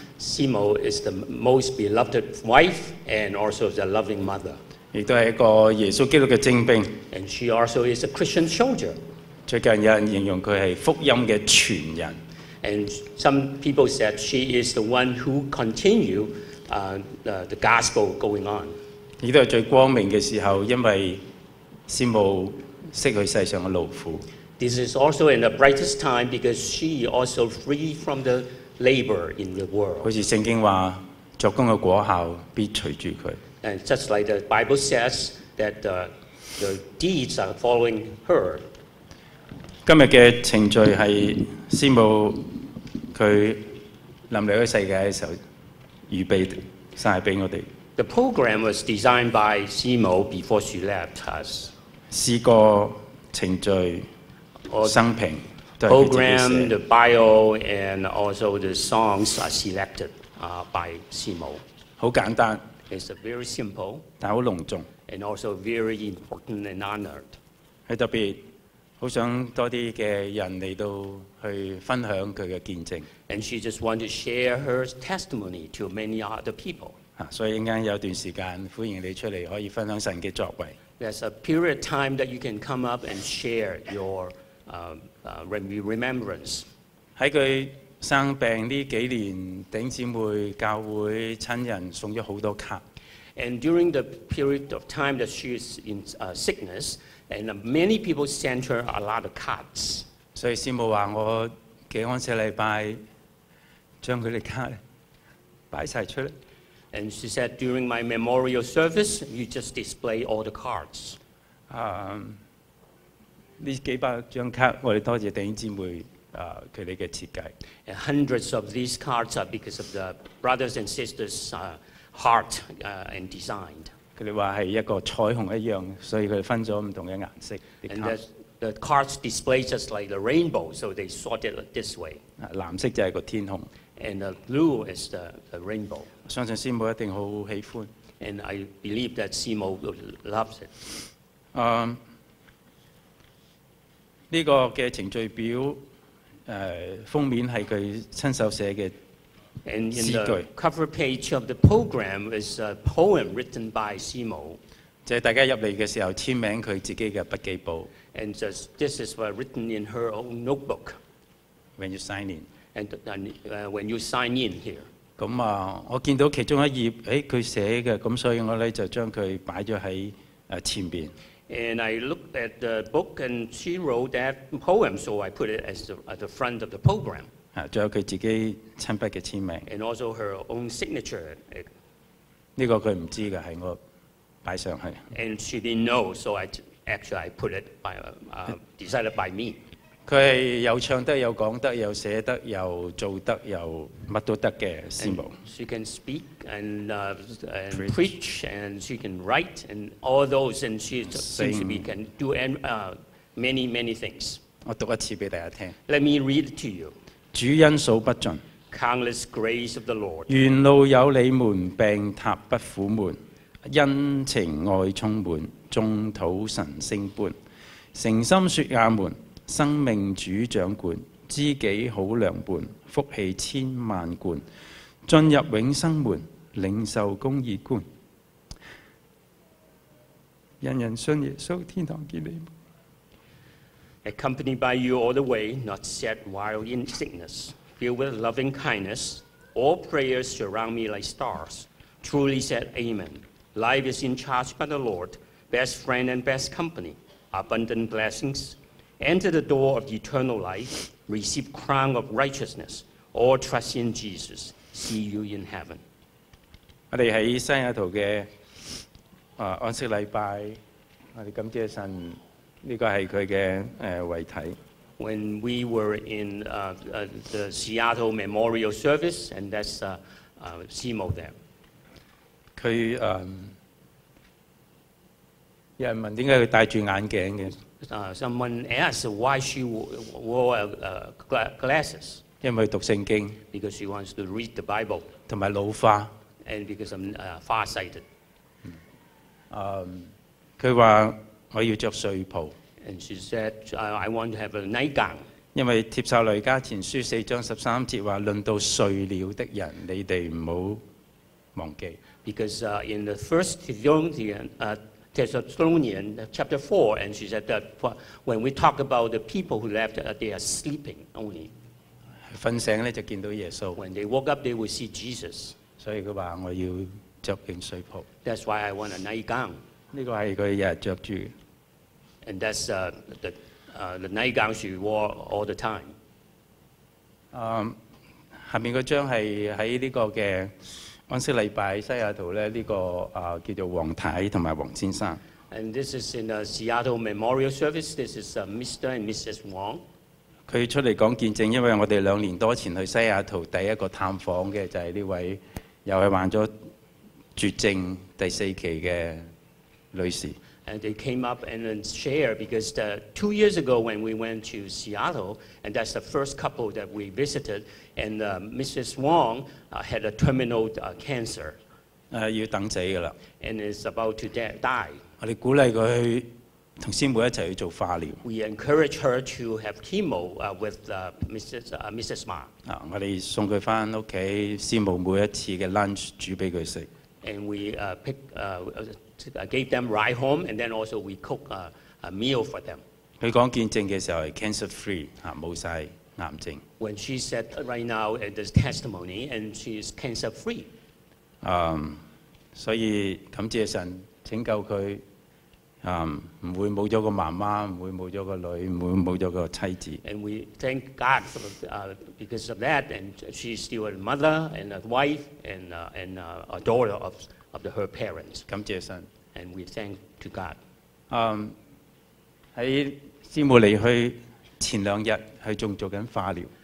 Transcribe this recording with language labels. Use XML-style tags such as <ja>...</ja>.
<en>師母 is the most beloved wife and also the loving mother.</en> <yue>亦都係一個耶穌基督嘅精兵。</yue> <en>And she also is a Christian soldier.</en> <yue>最近有人形容佢係福音嘅傳人。</yue> <en>And some people said she is the one who continued the gospel going on.</en> <yue>亦都係最光明嘅時候，因為師母識去世上嘅勞苦。</yue> <en>This is also in the brightest time because she also free from the labor in the world.</en> <yue>好似聖經話，作工嘅果效必隨住佢。</yue> <en>And just like the Bible says that the deeds are following her.</en> <yue>今日嘅程序係先母佢臨嚟呢個世界嘅時候預備曬俾我哋。</yue> <en>The program was designed by Simo before she left us.</en> <yue>詩歌、程序、生平</yue> <en>，the program, the bio, and also the songs are selected by Simo.</en> <yue>好簡單</yue> <en>，it's very simple,</en> <yue>但好隆重</yue> <en>，and also very important and honored.</en> <yue>係特別好想多啲嘅人嚟到去分享佢嘅見證。</yue> <en>And she just wanted to share her testimony to many other people.</en> <yue>所以應間有段時間歡迎你出嚟，可以分享神嘅作為。</yue> <en>There's a period of time that you can come up and share your remembrance.</en> <yue>喺佢生病呢幾年，弟兄姊妹、教會、親人送咗好多卡。</yue> <en>And during the period of time that she's in sickness, and many people sent her a lot of cards.</en> <yue>所以師母話：我幾安息禮拜將佢哋卡擺曬出嚟。</yue> <en>And she said, during my memorial service, you just display all the cards.</en> <yue>呢幾百張卡，我哋多謝弟兄姊妹佢哋嘅設計。</yue> <en>And hundreds of these cards are because of the brothers and sisters' heart and design.</en> <yue>佢哋話係一個彩虹一樣，所以佢分咗唔同嘅顏色。</yue> <en>And the cards display just like the rainbow, so they sort it this way.</en> <yue>藍色就係個天空。</yue> <en>And the blue is the rainbow.</en> <yue>相信師母一定好喜歡。</yue> <en>And I believe that 師母 loves it.</en> <yue>呢個嘅程序表，封面係佢親手寫嘅詩句。</yue> <en>And the cover page of the program is a poem written by 師母。</en> <yue>就係大家入嚟嘅時候簽名佢自己嘅筆記簿。</yue> <en>And just this is written in her own notebook. When you sign in. And when you sign in here,</en> <yue>咁啊，我見到其中一頁，佢寫嘅，咁所以我咧就將佢擺咗喺前邊。</yue> <en>And I looked at the book, and she wrote that poem, so I put it as the front of the program.</en> <yue>啊，仲有佢自己親筆嘅簽名。</yue> <en>And also her own signature.</en> <yue>呢個佢唔知嘅，係我擺上去。</yue> <en>And she didn't know, so I put it by decided by me.</en> <yue>佢係有唱得、有講得、有寫得、有做得、有乜都得嘅師母。</yue> <en>She can speak and preach, and she can write, and all those, and she seems to be can do many many things.</en> <yue>我讀一次俾大家聽。</yue> <en>Let me read to you.</en> <yue>主恩數不盡。</yue> <en>Countless grace of the Lord.</en> <yue>沿路有你們，病榻不苦悶，恩情愛充滿，眾土神聖伴，誠心説阿門。生命主掌管，知己好良伴，福气千万贯，进入永生门，领受公义冠，人人信耶稣，天堂见你。</yue> <en>Accompanied by you all the way, not sad while in sickness, filled with loving kindness, all prayers surround me like stars. Truly said, Amen. Life is in charge by the Lord, best friend and best company, abundant blessings. Enter the door of eternal life, receive crown of righteousness, or trust in Jesus, see you in heaven.</en> <yue>我哋喺西雅图嘅安息礼拜，我哋感谢神，呢个系佢嘅遗体。</yue> <en>When we were in the Seattle Memorial Service, and that's Simo there.</en> <yue>佢有人问点解佢戴住眼镜嘅？</yue> <en>Someone asked why she wore glasses.</en> <yue>因為讀聖經。</yue> <en>Because she wants to read the Bible.</en> <yue>同埋老化。</yue> <en>And because I'm far sighted.</en> <yue>佢話我要著睡袍。</yue> <en>And she said I want to have a nightgown.</en> <yue>因為帖撒羅尼迦前書四章十三節話，論到睡了的人，你哋唔好忘記。</yue> <en>Because in the first Thessalonians, Thessalonians chapter 4, and she said that when we talk about the people who left, they are sleeping only.</en> <yue>睡醒咧就見到耶穌。</yue> <en>When they woke up, they will see Jesus.</en> <yue>所以佢話我要著件睡袍。</yue> <en>That's why I want a nightgown.</en> <yue>呢個係佢日日著住。</yue> <en>And that's the nightgown she wore all the time.</en> <yue>下面嗰張係喺呢個嘅安息禮拜西雅圖咧，呢個叫做黃太同埋黃先生。</yue> <en>And this is in a Seattle Memorial Service. This is Mr. and Mrs. Wong.</en> <yue>佢出嚟講見證，因為我哋兩年多前去西雅圖第一個探訪嘅就係呢位，又係患咗絕症第四期嘅女士。</yue> <en>And they came up and share because the 2 years ago when we went to Seattle, and that's the first couple that we visited, and Mrs. Wong had a terminal cancer.</en> <yue>要等死噶啦。</yue> <en>And is about to die.</en> <yue>我哋鼓勵佢去同師母一齊去做化療。</yue> <en>We encourage her to have chemo with Mrs. Ma.</en> <yue>我哋送佢翻屋企，師母每一次嘅 lunch 煮俾佢食。</yue> <en>And we pick. Gave them ride home, and then also we cook a meal for them.</en> <yue>佢講見證嘅時候係</yue> <en>cancer free</en> <yue>嚇，冇曬癌症。</yue> <en>When she said right now at this testimony, and she is cancer free.</en> <yue>所以感謝神拯救佢，唔會冇咗個媽媽，唔會冇咗個女，唔會冇咗個妻子。</yue> <en>And we thank God for because of that, and she's still a mother and a wife and a daughter of her parents.</en> <yue>感謝神。</yue> <en>And we thank to God.</en> <yue>喺師母離去前兩日，佢仲做緊化療。</yue>